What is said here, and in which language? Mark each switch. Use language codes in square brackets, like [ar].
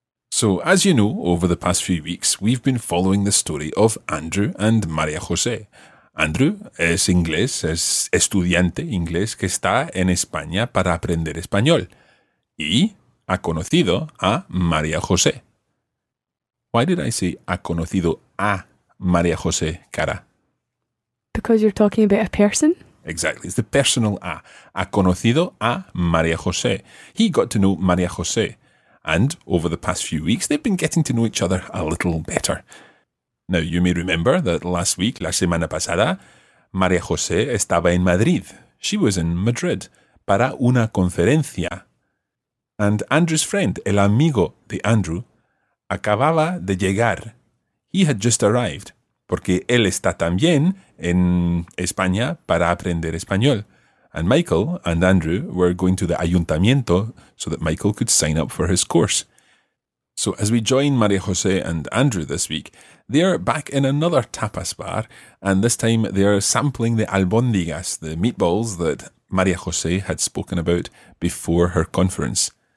[en] So, as you know, over the past few weeks, we've been following the story of Andrew and María José. [es] Andrew es inglés, es estudiante inglés que está en España para aprender español. Y ha conocido a María José. [en] Why did I say [es] ha conocido a María José, Cara? [en] Because you're talking about a person? Exactly. It's the personal a. [es] Ha conocido a María José. [en] He got to know María José. And over the past few weeks, they've been getting to know each other a little better. Now, you may remember that last week, [es] la semana pasada, María José estaba en Madrid. [en] She was in Madrid [es] para una conferencia. [en] And Andrew's friend, [es] el amigo de Andrew, acababa de llegar. [en] He had just arrived, [es] porque él está también en España para aprender español. [en] And Michael and Andrew were going to the ayuntamiento so that Michael could sign up for his course. So as we join María José and Andrew this week, they are back in another tapas bar, and this time they are sampling the albóndigas, the meatballs that María José had spoken about before her conference.